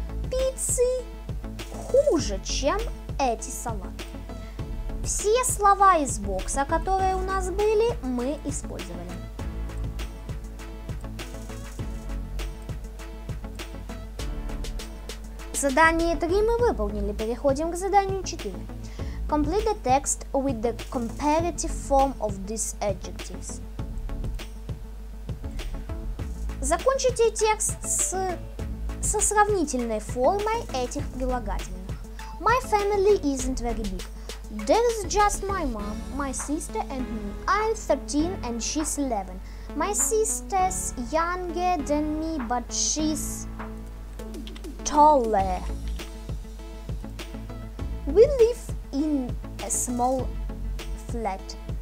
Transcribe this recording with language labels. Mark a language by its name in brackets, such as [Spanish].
[Russian] Пиццы хуже, чем эти салаты. Все слова из бокса, которые у нас были, мы использовали. Задание 3 мы выполнили, переходим к заданию 4. [English] Complete the text with the comparative form of these adjectives. [Russian] Закончите текст со сравнительной формой этих прилагательных. [English] My family isn't very big. There is just my mom, my sister and me. I'm 13 and she's 11. My sister's younger than me, but she's taller. We live in a small flat.